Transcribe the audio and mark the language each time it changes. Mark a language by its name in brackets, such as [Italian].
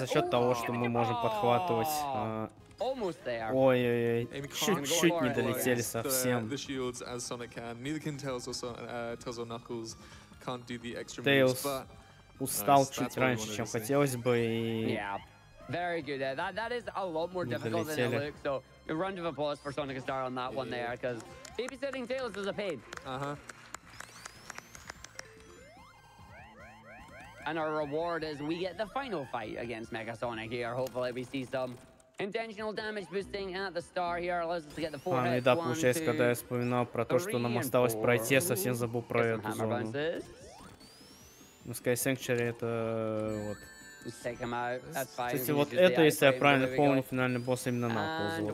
[Russian] И за счет того, что мы можем подхватывать. [English] Almost there. [Russian] Ой-ой-ой, чуть-чуть не долетели совсем. [English] The shields as Sonic can, neither can Tails or Tails or Knuckles can't do the extra moves. [Russian] Устал чуть раньше, чем хотелось бы. [English] Yeah, very good. That is a lot more difficult than it looks. So a round of applause for Sonic Star on that one there, because babysitting Tails is a pain. And our reward is we get the final fight against Mega Sonic here. Hopefully we see some intentional damage boosting at the star here. Allows us to get the forehead. [Russian] А, ну и да, получается, когда я вспоминал про то, что нам осталось пройти, я совсем забыл про эту зону. Ну, Sky Sanctuary это вот. Кстати, вот это, если я правильно помню, финальный босс именно на ползу.